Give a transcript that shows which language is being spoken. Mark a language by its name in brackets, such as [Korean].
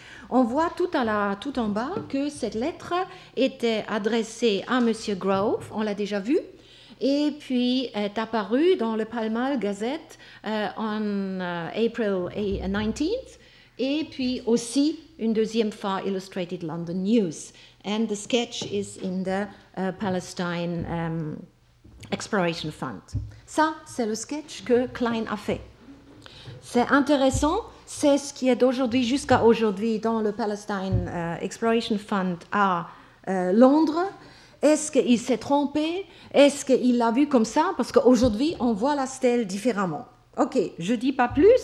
[French] On voit tout en bas que cette lettre était adressée à M. Grove, on l'a déjà vu. Et puis est apparu dans le Pall Mall Gazette en April 19th. Et puis aussi une deuxième fois Illustrated London News. [English] And the sketch is in the Palestine Exploration Fund. [French] Ça, c'est le sketch que Klein a fait. C'est intéressant, c'est ce qui est d'aujourd'hui jusqu'à aujourd'hui dans le Palestine Exploration Fund à Londres. Est-ce qu'il s'est trompé? Est-ce qu'il l'a vu comme ça? Parce qu'aujourd'hui, on voit la stèle différemment. Ok, je ne dis pas plus.